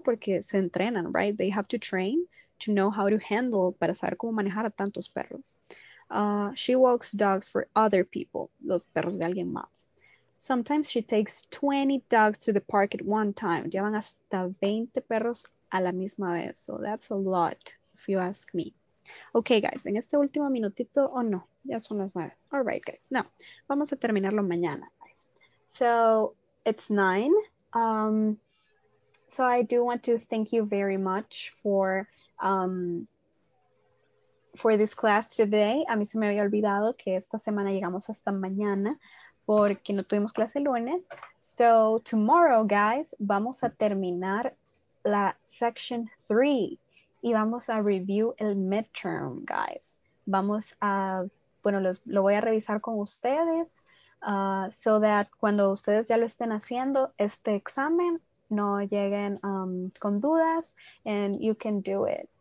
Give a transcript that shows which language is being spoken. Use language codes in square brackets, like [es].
[es] Porque se entrenan, [en] right? They have to train to know how to handle, [es] para saber cómo manejar a tantos perros. [en] She walks dogs for other people, [es] los perros de alguien más. [en] Sometimes she takes 20 dogs to the park at one time. [es] Llevan hasta 20 perros a la misma vez. [en] So that's a lot, if you ask me. Okay, guys, [es] en este último minutito, ya son las 9. [en] All right, guys, now, [es] vamos a terminarlo mañana, [en] guys. So it's 9. So I do want to thank you very much for this class today. [es] A mí se me había olvidado que esta semana llegamos hasta mañana porque no tuvimos clase el lunes. [en] So tomorrow, guys, [es] vamos a terminar la section 3 y vamos a review el midterm, guys. Vamos a, bueno, lo voy a revisar con ustedes [en] so that [es] cuando ustedes ya lo estén haciendo este examen, no lleguen con dudas, [en] and you can do it.